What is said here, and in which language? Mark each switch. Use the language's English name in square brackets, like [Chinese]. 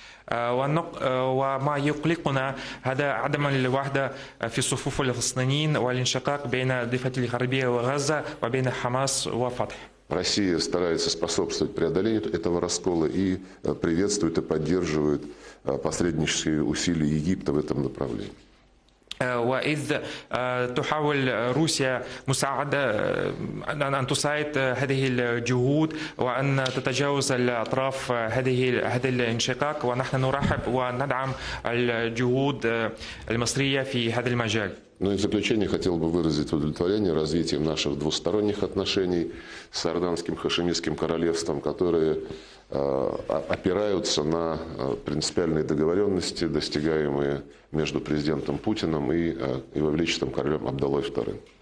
[Arabic] وما يقلقنا هذا عدم الوحدة في الصفوف الفلسطينيين والانشقاق بين الضفة الغربية وغزة وبين حماس وفتح. [Russian] Россия старается способствовать преодолению этого раскола и приветствует и поддерживает посреднические усилия Египта в этом направлении. [Arabic] وإذ تحاول روسيا مساعدة أن تساعد هذه الجهود وأن تتجاوز الأطراف هذا الانشقاق ونحن نرحب وندعم الجهود المصرية في هذا المجال. [Russian] Ну и в заключение хотел бы выразить удовлетворение развитием наших двусторонних отношений с Иорданским Хашимитским королевством, которые опираются на принципиальные договоренности, достигаемые между президентом Путиным и его величеством королем Абдаллой II.